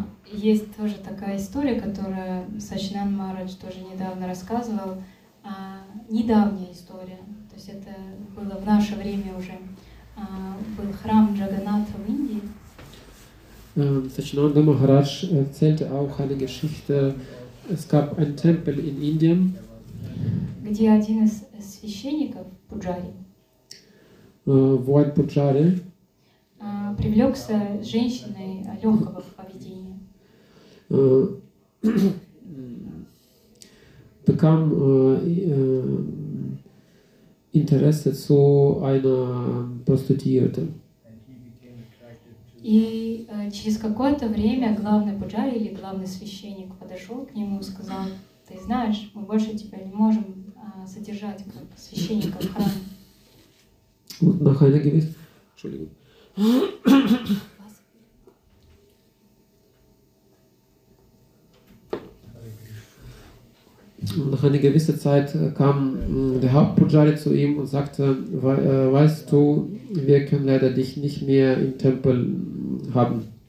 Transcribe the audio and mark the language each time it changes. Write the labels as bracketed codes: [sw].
[ru] Есть тоже такая история, которую Сачинанд Махарадж тоже недавно рассказывал. Недавняя история, то есть это было в наше время уже, был храм Джаганнатха в Индии. [de] Сачинанд Махарадж erzählte auch eine Geschichte, es gab einen Tempel in Indien, [ru] где один из священников, Пуджари, привлекся с женщиной легкого поведения. [de] bekam Interesse zu einer Prostituierten. [ru] И через какое-то время главный пуджари или главный священник подошел к нему и сказал: «Ты знаешь, мы больше тебя не можем содержать как священника в храме». [de] Nach einer gewissen, Entschuldigung. Nach einer gewissen Zeit kam der Hauptpujari zu ihm und sagte, weißt du, wir können leider dich nicht mehr im Tempel haben.